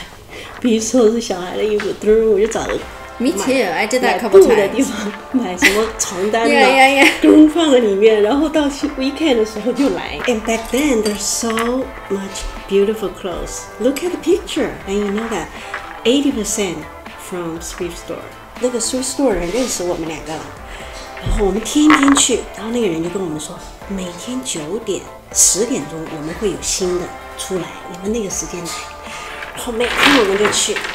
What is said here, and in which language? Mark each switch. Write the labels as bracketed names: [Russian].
[Chinese] 我以前就是这样，我告诉你，我以前干了什么事啊？我就把我喜欢的衣服，我就嘟找个地方藏起来，比如说是小孩的衣服，嘟我就找个。 [English] Me too. I did that a couple times. [Chinese] 买布的地方，买什么床单呢？ [English] Yeah, yeah, yeah. [Chinese] 放在里面，然后到 weekend 的时候就来。 [English] And back then, there's so much beautiful clothes. Look at the picture, and you know that 80% from thrift store. [Chinese] 那个 thrift store 人认识我们两个，然后我们天天去，然后那个人就跟我们说，每天九点、十点钟我们会有新的出来，你们那个时间来，然后每天我们就去。